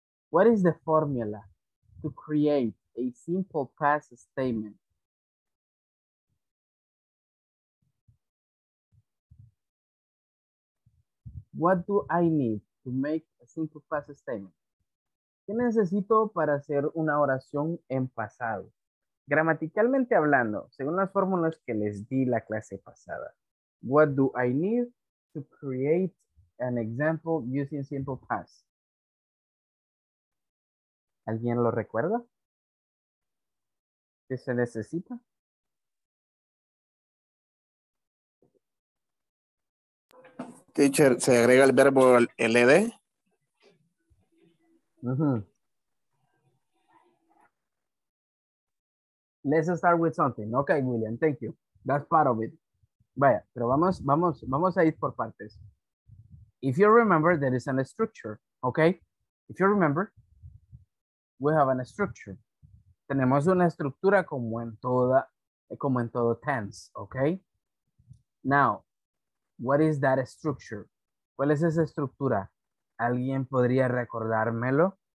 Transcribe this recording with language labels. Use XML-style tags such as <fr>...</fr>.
<en>What is the formula to create a simple past statement? What do I need to make a simple past statement?</en> <es>¿Qué necesito para hacer una oración en pasado? Gramaticalmente hablando, según las fórmulas que les di la clase pasada,</es> <en>what do I need to create an example using simple past?</en> <es>¿Alguien lo recuerda? ¿Qué se necesita? Teacher, ¿se agrega el verbo LD?</es> <en>Let's start with something. Okay, William, thank you. That's part of it.</en> <es>Vaya, pero vamos a ir por partes.</es> <en>If you remember, there is a structure, okay? If you remember, we have a structure.</en> <es>Tenemos una estructura como en todo tense, okay?</es> <en>Now, what is that structure?</en> <es>¿Cuál es esa estructura? ¿Alguien podría recordármelo?</es>